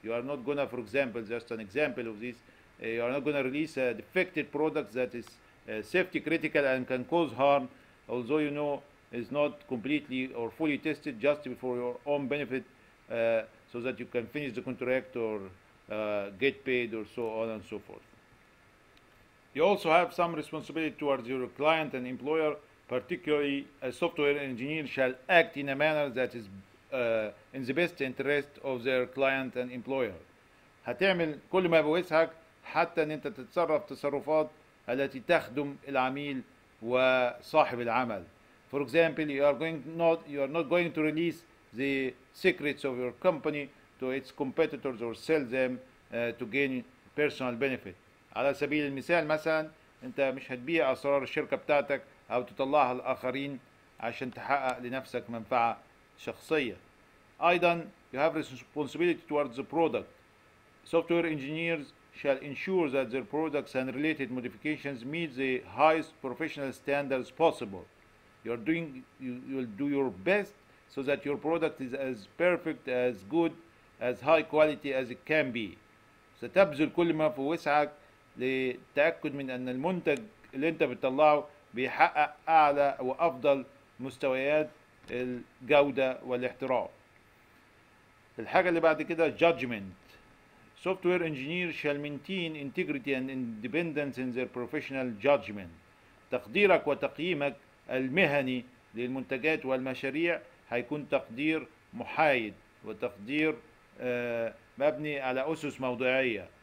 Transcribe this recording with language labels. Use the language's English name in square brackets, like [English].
[English] You are not gonna, for example, just an example of this, you are not gonna release a defective product that is safety critical and can cause harm, although you know is not completely or fully tested just for your own benefit, so that you can finish the contract or get paid or so on and so forth. You also have some responsibility towards your client and employer. Particularly, a software engineer shall act in a manner that is in the best interest of their client and employer. [Arabic] هتعمل كل ما بوسعك حتى ان انت تتصرف تصرفات التي تخدم العميل وصاحب العمل. [English] For example, you are not going to release the secrets of your company to its competitors or sell them to gain personal benefit. [Arabic] على سبيل المثال مثلا انت مش هتبيع اسرار الشركة بتاعتك أو تطلعها الآخرين عشان تحقق لنفسك منفعة شخصية. أيضا [English] you have responsibility towards the product. Software engineers shall ensure that their products and related modifications meet the highest professional standards possible. You'll do your best so that your product is as perfect, as good, as high quality as it can be. [Arabic] ستبذل كل ما في وسعك لتأكد من أن المنتج اللي أنت بتطلعه بيحقق أعلى وأفضل مستويات الجودة والاحتراف. الحاجة اللي بعد كده judgment. [English] software engineer shall maintain integrity and independence in their professional judgment. [Arabic] تقديرك وتقييمك المهني للمنتجات والمشاريع هيكون تقدير محايد وتقدير مبني على أسس موضوعية.